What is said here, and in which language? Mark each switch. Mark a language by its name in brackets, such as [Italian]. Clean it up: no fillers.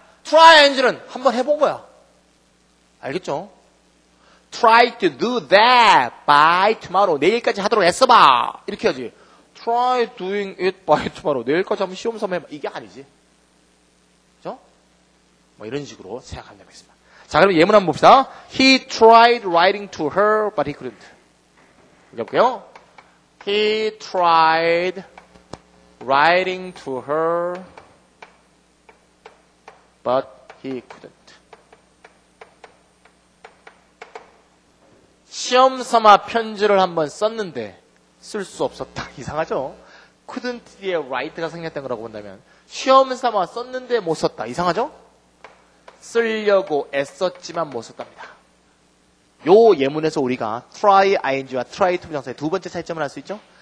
[Korean] try ing는 한번 해본 거야. 알겠죠? [English] try to do that by tomorrow. [Korean] 내일까지 하도록 애써봐. 이렇게 해야지. [English] try doing it by tomorrow. [Korean] 내일까지 한번 시험 삼아 해봐. 이게 아니지. 그죠? 뭐 이런 식으로 생각하면 되겠습니다. 자, 그럼 예문 한번 봅시다. [English] He tried writing to her, but he couldn't. [Korean] 여보세요? [English] He tried writing to her, but he couldn't. [Korean] 시험 삼아 편지를 한번 썼는데, 쓸 수 없었다. 이상하죠? couldn't 뒤에 write가 생겼던 거라고 본다면, 시험 삼아 썼는데 못 썼다. 이상하죠? 쓰려고 애썼지만 못 썼답니다. 요 예문에서 우리가 try ing와 try to 부정사의 두 번째 차이점을 알 수 있죠?